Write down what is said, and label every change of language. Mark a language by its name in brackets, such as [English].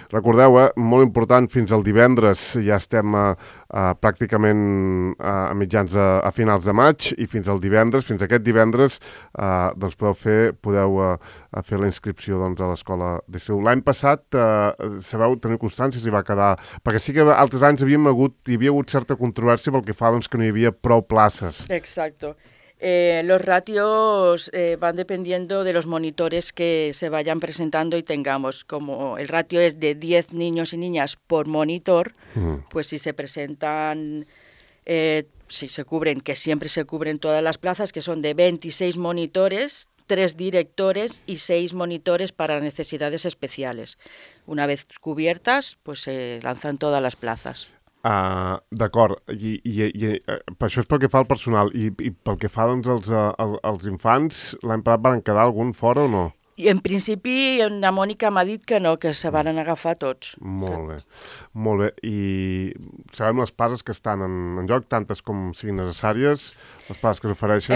[Catalan] Recordeu, molt important, fins al divendres ja estem pràcticament a mitjans a finals de maig i fins al divendres, fins aquest divendres, doncs podeu fer la inscripció doncs, a l'escola d'estiu. L'any passat, sabeu, teniu constància si va quedar... Perquè sí que altres anys hi havia hagut certa controvèrsia pel que fa doncs, que no hi havia prou places. [Spanish] Exacto. Los ratios van dependiendo de los monitores que se vayan presentando y tengamos. Como el ratio es de 10 niños y niñas por monitor, pues si se presentan, si se cubren, que siempre se cubren todas las plazas, que son de 26 monitores, 3 directores y 6 monitores para necesidades especiales. Una vez cubiertas, pues se lanzan todas las plazas. [Catalan] D'acord, i això és pel que fa al personal, i pel que fa doncs, als infants, l'any passat van quedar algun fora o no? I en principi, la Mònica m'ha dit que no, que se van agafar tots. Molt bé, i sabem les passes que estan en joc, tantes com siguin necessàries, les passes que s'ofereixen?